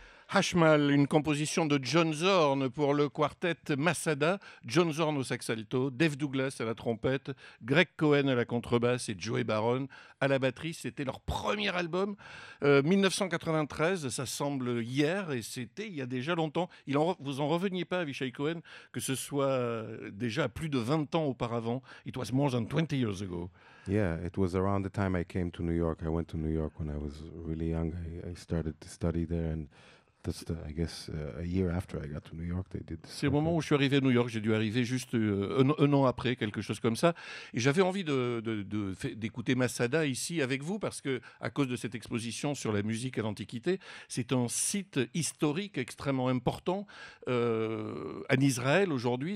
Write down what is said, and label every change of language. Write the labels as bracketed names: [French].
[French] Hashmal, une composition de John Zorn pour le quartet Masada, John Zorn au saxalto, Dave Douglas à la trompette, Greg Cohen à la contrebasse et Joey Baron à la batterie. C'était leur premier album, 1993, ça semble hier et c'était il y a déjà longtemps. Vous en reveniez pas, Avishai Cohen, que ce soit déjà plus de 20 ans auparavant. [English] It was more than 20 years ago. Yeah, it was around the time I came to New York. I went to New York when I was really young. I started to study there and that's the, I guess, a year after I got to New York, they did this. [French] C'est au moment où je suis arrivé à New York, j'ai dû arriver juste un an après, quelque chose comme ça. Et j'avais envie d'écouter Masada ici avec vous, parce que à cause de cette exposition sur la musique à l'Antiquité, c'est un site historique extrêmement important en Israël aujourd'hui.